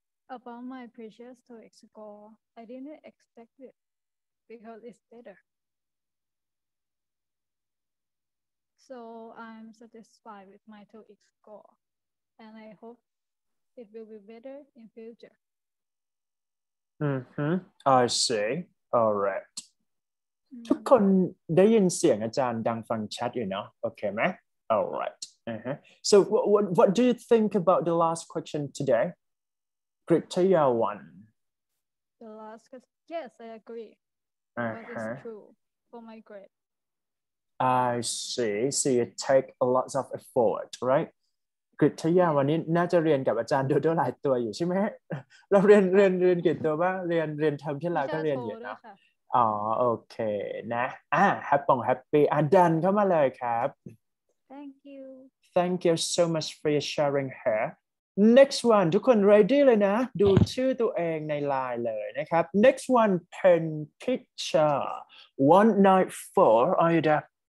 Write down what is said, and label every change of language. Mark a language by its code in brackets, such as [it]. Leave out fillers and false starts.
[en] About my previous TOEIC score, I didn't expect it because it's better. So I'm satisfied with my TOEIC score, and I hope it will be better in future. Mm-hmm. I see. All right. [th] ทุกคนได้ยินเสียงอาจารย์ดังฟังชัดอยู่เนาะโอเคไหม [en] All right. Uh-huh. So what do you think about the last question today? Kritiya one. The last question. Yes, I agree. Uh-huh. It's true for my grade. I see. So you take a lot of effort, right? [th] กฤตยาวันนี้น่าจะเรียนกับอาจารย์โดโดหลายตัวอยู่ใช่ไหมเราเรียนกี่ตัวบ้างเรียนทำที่เราก็เรียนอยู่นะอ๋อโอเคนะแฮปปี้แฮปปี้ดันเข้ามาเลยครับ [en] Thank you so much for your sharing here next one [th] ทุกคน [en] ready [th] เลยนะดูชื่อตัวเองในไลน์เลยนะครับ [en] next one pen picture 194 are you there